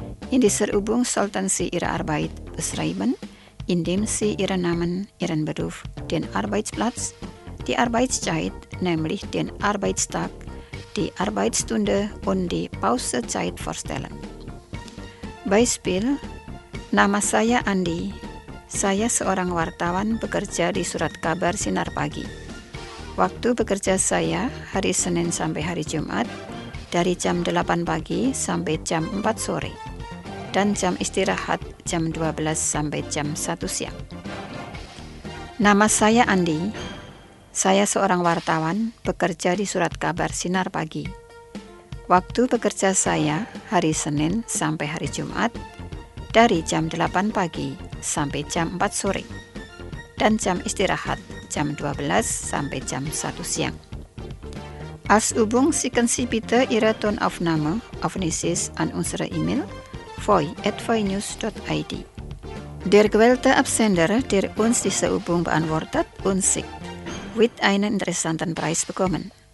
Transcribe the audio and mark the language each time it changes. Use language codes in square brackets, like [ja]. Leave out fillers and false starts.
[de] In dieser Übung sollten Sie Ihre Arbeit beschreiben, indem Sie Ihren Namen, Ihren Beruf, den Arbeitsplatz, die Arbeitszeit, nämlich den Arbeitstag, die Arbeitsstunde und die Pausezeit vorstellen. [id] Beispiel: Nama saya Andi. Saya seorang wartawan bekerja di Surat Kabar Sinar Pagi. Waktu bekerja saya hari Senin sampai hari Jumat dari jam 8 pagi sampai jam 4 sore. dan jam istirahat jam 12 sampai jam 1 siang. Nama saya Andi. Saya seorang wartawan, bekerja di surat kabar Sinar Pagi. Waktu bekerja saya hari Senin sampai hari Jumat, dari jam 8 pagi sampai jam 4 sore, dan jam istirahat jam 12 sampai jam 1 siang. [de] Als Übung schicken Sie bitte Ihre Tonaufnahme auf Nisis an unsere E-Mail voi@voinews.id. Der gewählte Absender, der uns diese Übung beantwortet und schickt, wird einen interessanten Preis bekommen.